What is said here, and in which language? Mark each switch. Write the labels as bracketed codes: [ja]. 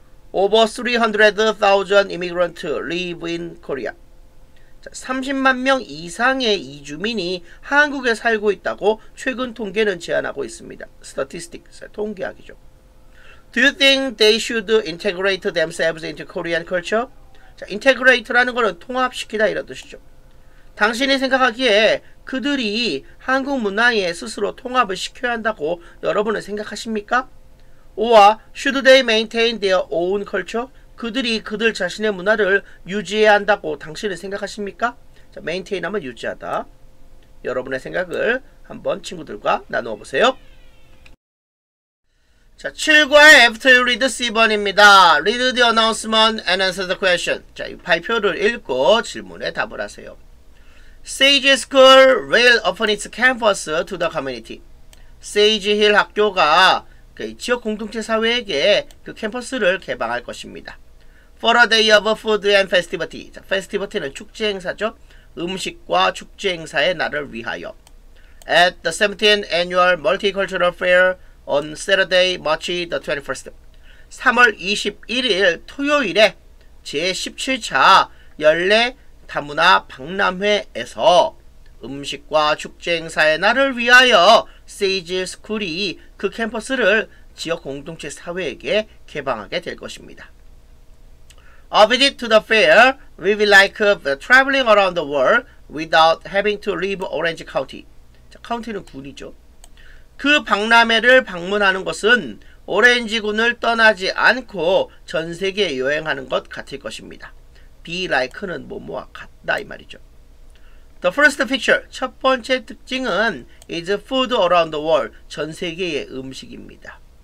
[en] Over 300,000 immigrants live in Korea. [ko] 자, 30만 명 이상의 이주민이 한국에 살고 있다고 최근 통계는 제안하고 있습니다. Statistics, 통계학이죠. [en] Do you think they should integrate themselves into Korean culture? [ko] 자, integrate라는 것은 통합시키다 이런 뜻이죠. 당신이 생각하기에 그들이 한국 문화에 스스로 통합을 시켜야 한다고 여러분은 생각하십니까? [en] Or should they maintain their own culture? [ko] 그들이 그들 자신의 문화를 유지해야 한다고 당신은 생각하십니까? 자, maintain 하면 유지하다. 여러분의 생각을 한번 친구들과 나누어 보세요. [en] 자, 7과의 after you read [ko] C번입니다. [en] Read the announcement and answer the question. [ko] 자, 이 발표를 읽고 질문에 답을 하세요. [en] Sage School will open its campus to the community. [ko] Sage Hill 학교가 그 지역 공동체 사회에게 그 캠퍼스를 개방할 것입니다. [en] For a day of food and festivity. [ko] 자, festivity는 축제 행사죠. 음식과 축제 행사의 날을 위하여. [en] At the 17th annual multicultural fair on Saturday, March the 21st. [ko] 3월 21일 토요일에 제17차 연례 다문화 박람회에서 음식과 축제 행사의 날을 위하여 Sage School이 그 캠퍼스를 지역 공동체 사회에게 개방하게 될 것입니다. [en] A visit to the fair will be like traveling around the world without having to leave Orange County. [ko] 자, 카운티는 군이죠. 그 박람회를 방문하는 것은 오렌지군을 떠나지 않고 전 세계 여행하는 것 같을 것입니다. Be like는 뭐뭐와 같다 이 말이죠. [en] The first feature, [ko] 첫 번째 특징은 [en] is food around the world, [ko] 전 세계의 음식입니다.